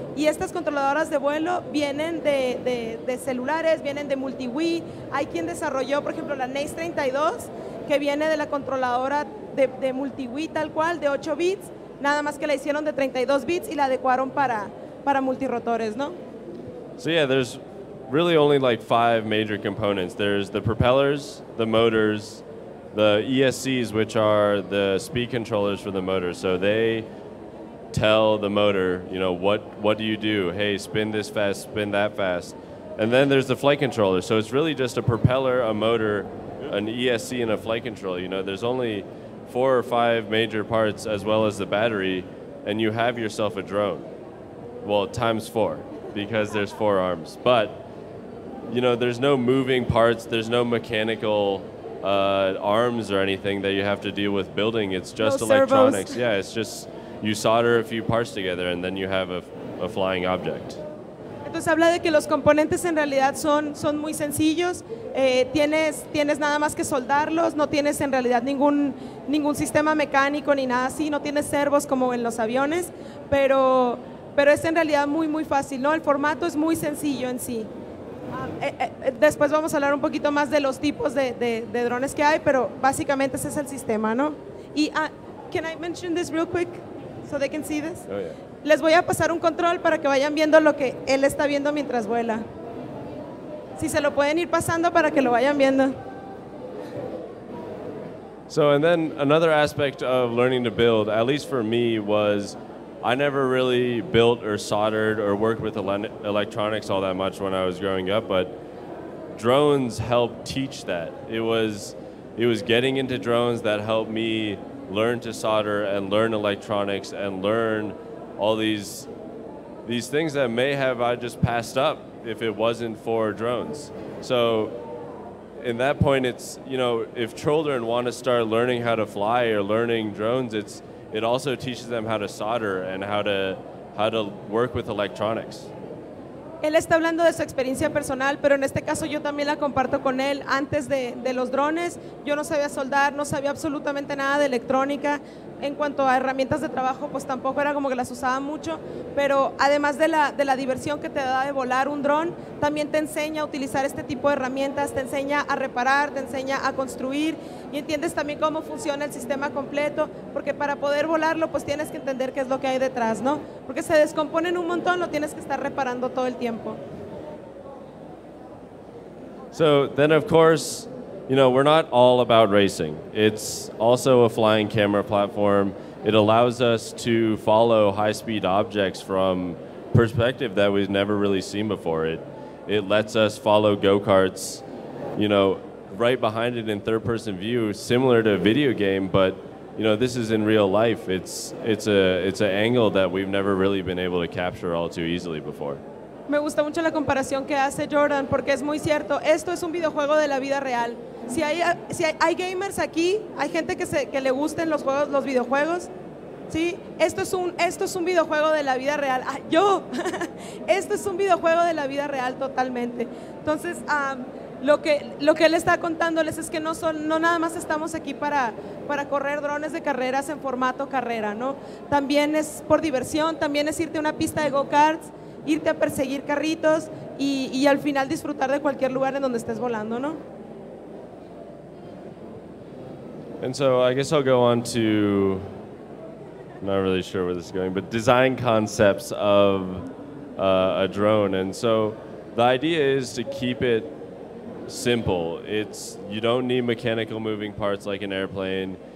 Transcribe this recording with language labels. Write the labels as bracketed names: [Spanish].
[Spanish] Y estas controladoras de vuelo vienen de celulares, vienen de multi-Wii. Hay quien desarrolló, por ejemplo, la NACE 32, que viene de la controladora de multi-Wii tal cual, de 8 bits. Nada más que la hicieron de 32 bits y la adecuaron para multirotores, ¿no? [English] So yeah, there's really only like 5 major components. There's the propellers, the motors, the ESCs, which are the speed controllers for the motor. So they tell the motor, you know, what do you do? Hey, spin this fast, spin that fast. And then there's the flight controller. So it's really just a propeller, a motor, an ESC, and a flight controller. You know, there's only 4 or 5 major parts, as well as the battery, and you have yourself a drone. Well, times 4, because there's 4 arms. But, you know, there's no moving parts, there's no mechanical arms or anything that you have to deal with building. It's just no electronics. Servos. Yeah, it's just you solder a few parts together, and then you have a flying object. [Spanish] pues habla de que los componentes en realidad son muy sencillos, tienes nada más que soldarlos, no tienes en realidad ningún sistema mecánico ni nada así, no tienes servos como en los aviones, pero es en realidad muy muy fácil, ¿no? El formato es muy sencillo en sí. Después vamos a hablar un poquito más de los tipos de drones que hay, pero básicamente ese es el sistema, ¿no? [English] Y, can I mention this real quick, so they can see this? Oh, yeah. [Spanish] Les voy a pasar un control para que vayan viendo lo que él está viendo mientras vuela. Si se lo pueden ir pasando para que lo vayan viendo. [English] So, and then another aspect of learning to build, at least for me, was I never really built or soldered or worked with electronics all that much when I was growing up, but drones helped teach that. It was getting into drones that helped me learn to solder and learn electronics and learn all these things that may have I just passed up if it wasn't for drones. So in that point, it's, you know, if children want to start learning how to fly or learning drones, it also teaches them how to solder and how to work with electronics. [Spanish] Él está hablando de su experiencia personal, pero en este caso yo también la comparto con él. Antes de los drones, yo no sabía soldar, no sabía absolutamente nada de electrónica. En cuanto a herramientas de trabajo, pues tampoco era como que las usaba mucho. Pero además de la diversión que te da de volar un dron, también te enseña a utilizar este tipo de herramientas, te enseña a reparar, te enseña a construir y entiendes también cómo funciona el sistema completo, porque para poder volarlo, pues tienes que entender qué es lo que hay detrás, ¿no? Porque se descomponen un montón, lo tienes que estar reparando todo el tiempo. [English] So then of course, you know, we're not all about racing. It's also a flying camera platform. It allows us to follow high-speed objects from perspective that we've never really seen before. It lets us follow go-karts, you know, right behind it in third-person view, similar to a video game, but, you know, this is in real life. It's a angle that we've never really been able to capture all too easily before. [Spanish] Me gusta mucho la comparación que hace Jordan, porque es muy cierto. Esto es un videojuego de la vida real. Si hay gamers aquí, hay gente que le gusten los juegos, los videojuegos, ¿sí? Esto es un videojuego de la vida real. Ah, ¡yo! Esto es un videojuego de la vida real totalmente. Entonces, lo que él está contándoles es que no nada más estamos aquí para correr drones de carreras en formato carrera, ¿no? También es por diversión, también es irte a una pista de go-karts, irte a perseguir carritos y al final disfrutar de cualquier lugar en donde estés volando, ¿no? [English] And so I guess I'll go on to, not really sure where this is going, but design concepts of a drone. And so the idea is to keep it simple. It's, you don't need mechanical moving parts like an airplane.